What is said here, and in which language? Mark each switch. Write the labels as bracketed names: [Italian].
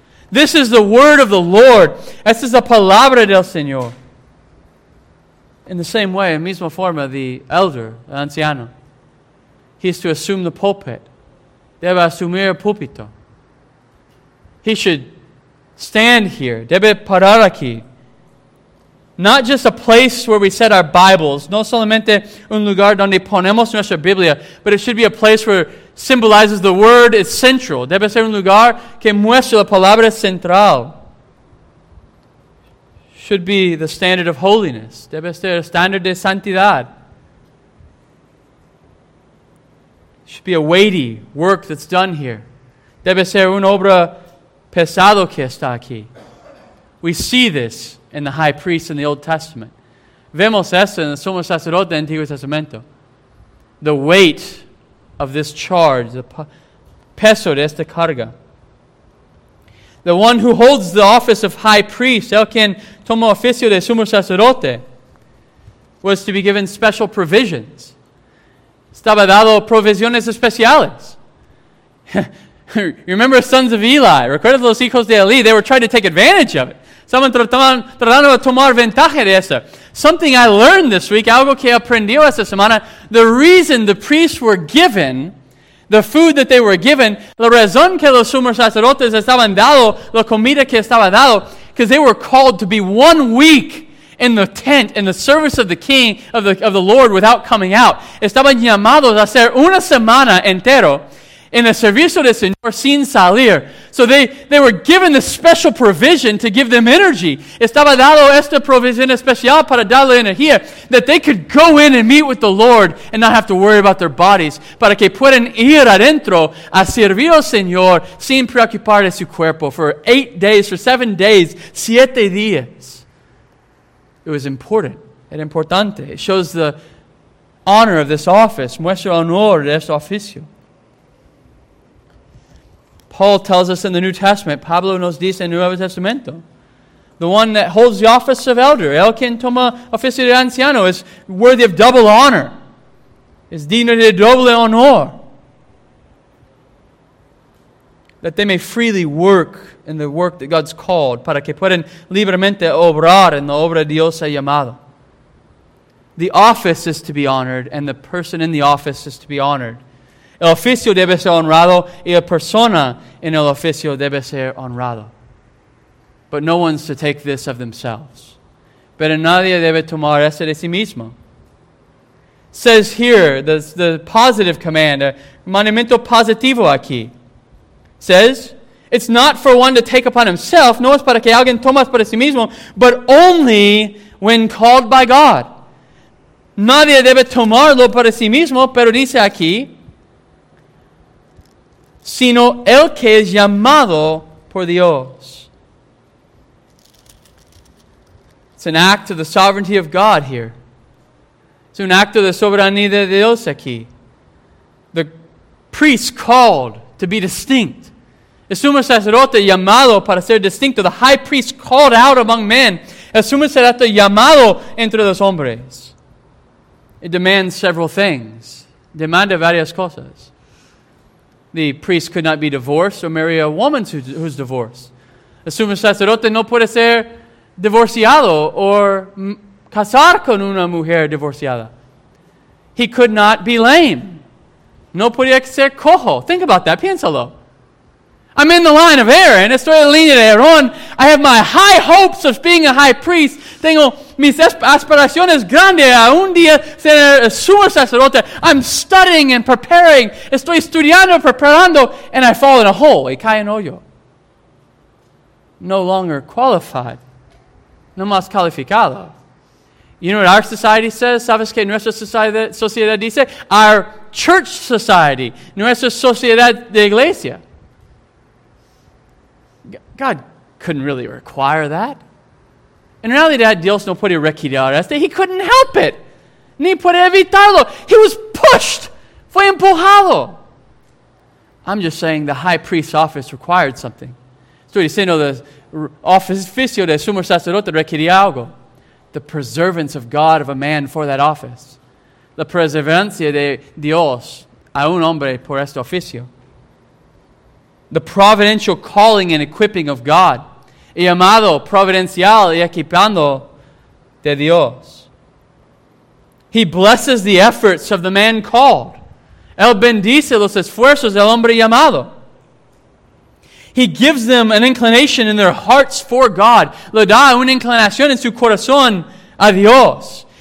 [English] This is the word of the Lord. [Spanish] Esta es la palabra del Señor. [English] In the same way, [Spanish] en misma forma, [English] the elder, [Spanish] el anciano, [English] he is to assume the pulpit. [Spanish] Debe asumir el púlpito. [English] He should stand here. [Spanish] Debe parar aquí. [English] Not just a place where we set our Bibles, [Spanish] no solamente un lugar donde ponemos nuestra Biblia, [English] but it should be a place where symbolizes the word is central. [Spanish] Debe ser un lugar que muestra la palabra central. [English] Should be the standard of holiness. [Spanish] Debe ser el standard de santidad. [English] Should be a weighty work that's done here. [Spanish] Debe ser una obra pesado que está aquí. [English] We see this in the high priest in the Old Testament. [Spanish] Vemos esto en el sumo sacerdote del Antiguo Testamento. [English] The weight of this charge, the [Spanish] peso de esta carga. [English] The one who holds the office of high priest, [Spanish] el quien tomó oficio de sumo sacerdote, [English] was to be given special provisions. [Spanish] Estaba dado provisiones especiales. [English] Remember the sons of Eli, [Spanish] recuerda los hijos de Eli, [English] they were trying to take advantage of it. [Spanish] Estaban tratando de tomar ventaja de eso. [English] Something I learned this week, [Spanish] algo que aprendió esta semana, [English] the reason the priests were given the food that they were given, [Spanish] la razón que los sumos sacerdotes estaban dado, la comida que estaba dado, [English] because they were called to be 1 week in the tent, in the service of the king, of the Lord, without coming out. [Spanish] Estaban llamados a ser una semana entero en el servicio del Señor sin salir. [English] So they were given the special provision to give them energy. [Spanish] Estaba dado esta provisión especial para darle energía, [English] that they could go in and meet with the Lord and not have to worry about their bodies. [Spanish] Para que puedan ir adentro a servir al Señor sin preocupar de su cuerpo [English] for 8 days, for 7 days, [Spanish] 7 días. [English] It was important. [Spanish] Era importante. [English] It shows the honor of this office. [Spanish] Muestra honor de este oficio. [English] Paul tells us in the New Testament, [Spanish] Pablo nos dice en el Nuevo Testamento, [English] the one that holds the office of elder, [Spanish] el quien toma oficio de anciano, [English] is worthy of double honor, is [Spanish] digno de doble honor, [English] that they may freely work in the work that God's called, [Spanish] para que puedan libremente obrar en la obra Dios ha llamado. [English] The office is to be honored, and the person in the office is to be honored. [Spanish] El oficio debe ser honrado y la persona en el oficio debe ser honrado. [English] But no one's to take this of themselves. [Spanish] Pero nadie debe tomar ese de sí mismo. [English] Says here, the positive command, [Spanish] mandamiento positivo aquí. [English] Says, it's not for one to take upon himself, [Spanish] no es para que alguien tome para sí mismo, [English] but only when called by God. [Spanish] Nadie debe tomarlo para sí mismo, pero dice aquí, sino el que es llamado por Dios. [English] It's an act of the sovereignty of God here. It's an act of the [Spanish] soberanía de Dios aquí. [English] The priest called to be distinct. [Spanish] El sumo sacerdote llamado para ser distinto. [English] The high priest called out among men. [Spanish] El sumo sacerdote llamado entre los hombres. [English] It demands several things. [Spanish] Demanda varias cosas. [English] The priest could not be divorced or marry a woman who's divorced. [Spanish] El sumo sacerdote no puede ser divorciado or casar con una mujer divorciada. [English] He could not be lame. [Spanish] No podía ser cojo. [English] Think about that. [Spanish] Piénsalo. [English] I'm in the line of Aaron. [Spanish] Estoy en la línea de Aaron. [English] I have my high hopes of being a high priest. [Spanish] Tengo mis aspiraciones grandes a un día ser el sumo sacerdote. [English] I'm studying and preparing. [Spanish] Estoy estudiando, preparando, [English] and I fall in a hole. [Spanish] Y cae en hoyo. [English] No longer qualified. [Spanish] No más calificado. [English] You know what our society says? [Spanish] ¿Sabes qué nuestra sociedad dice? [English] Our church society. [Spanish] Nuestra sociedad de iglesia. [English] God couldn't really require that. [Spanish] En realidad, Dios no puede requirir esto. [English] He couldn't help it. [Spanish] Ni puede evitarlo. [English] He was pushed. [Spanish] Fue empujado. [English] I'm just saying the high priest's office required something. [Spanish] Estoy diciendo the oficio de sumo sacerdote requería algo. [English] The preservance of God of a man for that office. [Spanish] La preservancia de Dios a un hombre por este oficio. [English] The providential calling and equipping of God. [Spanish] Y llamado providencial y equipando de Dios. [English] He blesses the efforts of the man called. [Spanish] Él bendice los esfuerzos del hombre llamado. [English] He gives them an inclination in their hearts for God. [Spanish] Le da una inclinación en su corazón a Dios.